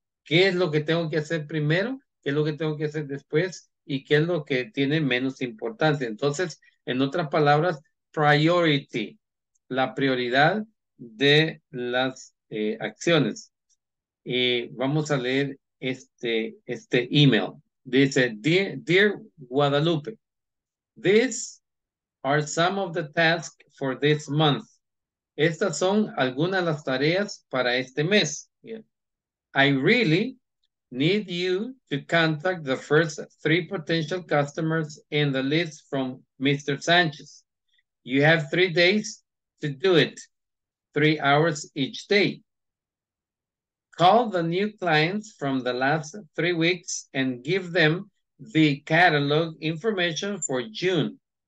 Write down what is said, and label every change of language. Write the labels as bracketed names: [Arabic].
[Spanish] ¿Qué es lo que tengo que hacer primero? ¿Qué es lo que tengo que hacer después? ¿Y qué es lo que tiene menos importancia? Entonces, en otras palabras, priority, la prioridad de las acciones. Y vamos a leer este email. [English] Dice, Dear Guadalupe, this are some of the tasks for this month. [Spanish] Estas son algunas de las tareas para este mes. [English] Yeah. I really need you to contact the first three potential customers in the list from Mr. Sanchez. You have 3 days to do it, 3 hours each day. Call the new clients from the last 3 weeks and give them the catalog information for June.